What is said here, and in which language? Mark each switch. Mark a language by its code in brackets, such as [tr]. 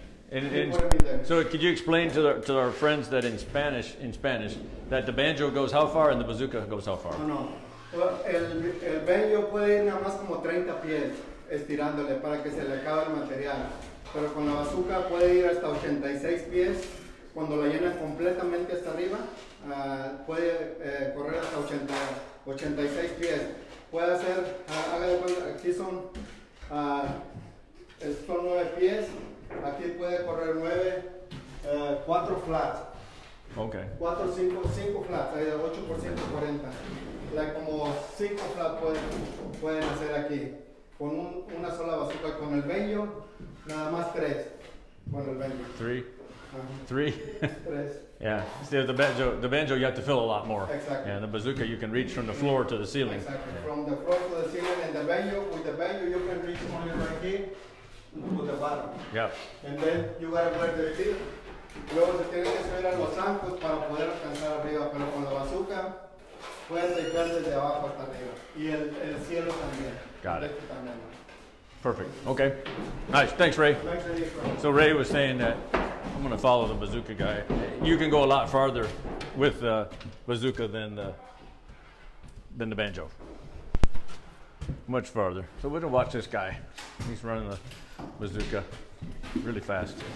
[en] and put in there. So could you explain to our friends that in Spanish that the banjo goes how far and the bazooka goes how far? No. [es] Well, el banjo puede ir nada más como 30 pies estirándole para que se le acabe el material. Pero con la bazooka puede ir hasta 86 pies. Cuando la llena completamente hasta arriba, puede correr hasta 86 pies. Puede hacer, aquí son, son 9 pies. Aquí puede correr 9, 4 flats. [en] Okay. [es] 4, 5, 5 flats, ahí de 8 por 140. Like, como 5 flats pueden hacer aquí. Con una sola bazooka, con el banjo, nada más 3. Con el banjo. [en] 3. Three. Yeah. See, the banjo, you have to fill a lot more. Exactly. And the bazooka, you can reach from the floor to the ceiling. Exactly. Yeah. From the floor to the ceiling, and the banjo, with the banjo, you can reach only right here to the bottom. Yeah. And then you gotta wear the tilt. [es] Luego se tiene que subir a los ancos para poder alcanzar arriba, pero con la bazooka puedes llegar desde abajo hasta arriba. Y el cielo también. [en] Got it. Perfect. Okay. Nice. Thanks, Ray. So Ray was saying that I'm going to follow the bazooka guy. You can go a lot farther with the bazooka than the banjo. Much farther. So we're going to watch this guy. He's running the bazooka really fast.